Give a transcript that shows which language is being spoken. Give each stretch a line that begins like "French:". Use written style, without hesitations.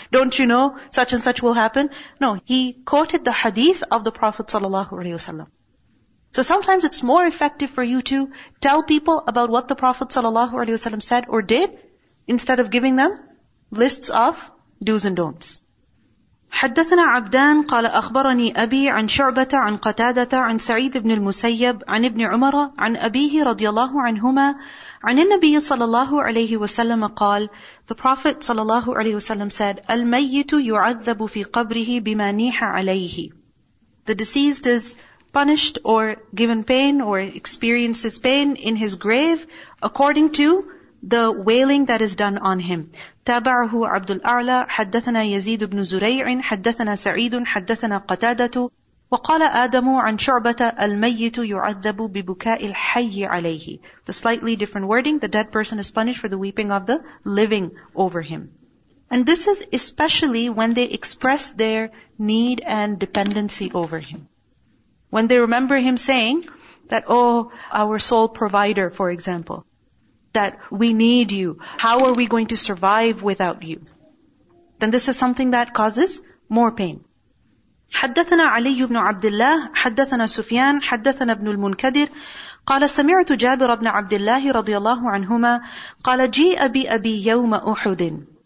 English: Don't you know such and such will happen? No, he quoted the hadith of the Prophet sallallahu alaihi wasallam. So sometimes it's more effective for you to tell people about what the Prophet sallallahu alaihi wasallam said or did, instead of giving them lists of do's and don'ts.
Arabic: حدثنا عبدان قال أخبرني أبي عن شعبة عن قتادة عن سعيد بن المسيب عن ابن عمر عن أبيه رضي الله عنهما عن النبي صلى الله عليه وسلم قال
English: The Prophet sallallahu alaihi wasallam said,
Arabic: الميت يعذب في قبره بما نيح عليه.
English: The deceased is punished or given pain or experiences pain in his grave according to the wailing that is done on him.
Arabic: تابعه عبد الأعلى حدثنا يزيد بن زريع حدثنا سعيد حدثنا قتادة وقال آدم عن شعبة الميت يعذب ببكاء الحي عليه.
English: The slightly different wording, the dead person is punished for the weeping of the living over him. And this is especially when they express their need and dependency over him. When they remember him saying that, oh, our sole provider, for example, that we need you, how are we going to survive without you? Then this is something that causes more pain.
Arabic: حدثنا علي بن عبد الله حدثنا سفيان حدثنا ابن المنكدر قال سمعت جابر بن عبد الله رضي الله عنهما قال جيء بأبي يوم أحد.